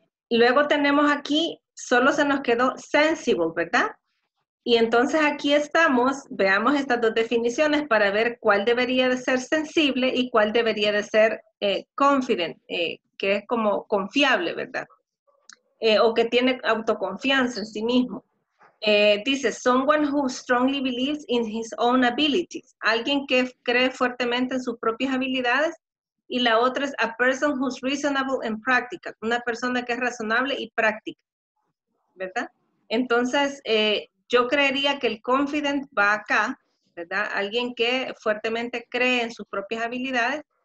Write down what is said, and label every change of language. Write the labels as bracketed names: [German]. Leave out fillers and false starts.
[Spanish] Luego tenemos aquí, solo se nos quedó sensible, ¿verdad? Y entonces aquí estamos, veamos estas dos definiciones para ver cuál debería de ser sensible y cuál debería de ser confident, que es como confiable, ¿verdad? O que tiene autoconfianza en sí mismo. [English] Dice, someone who strongly believes in his own abilities. [Spanish] Alguien que cree fuertemente en sus propias habilidades. Y la otra es, [English] a person who's reasonable and practical. [Spanish] Una persona que es razonable y práctica. ¿Verdad? Entonces, yo creería que el confident va acá, ¿verdad? Alguien que fuertemente cree en sus propias habilidades.